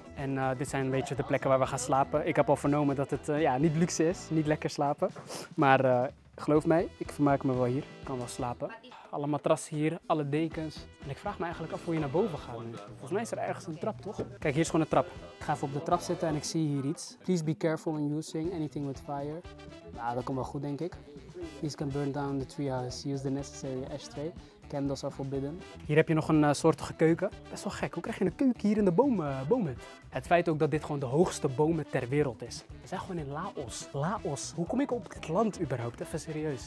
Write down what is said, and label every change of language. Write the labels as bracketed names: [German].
[Dutch] En dit zijn een beetje de plekken waar we gaan slapen. Ik heb al vernomen dat het niet luxe is. Niet lekker slapen. Maar geloof mij, ik vermaak me wel hier. Ik kan wel slapen. Alle matrassen hier, alle dekens. En ik vraag me eigenlijk af hoe je naar boven gaat nu. Volgens mij is er ergens een trap, toch? Kijk, hier is gewoon een trap. Ik ga even op de trap zitten en ik zie hier iets. [English] Please be careful when using anything with fire. [Dutch] Nou, dat komt wel goed, denk ik. [English] These can burn down the treehouse. Use the necessary ashtray. Candles are forbidden. [Dutch] Hier heb je nog een soortige keuken. Best wel gek. Hoe krijg je een keuken hier in de boomhut? Het feit ook dat dit gewoon de hoogste bomen ter wereld is. We zijn gewoon in Laos. Laos. Hoe kom ik op dit land überhaupt? Even serieus.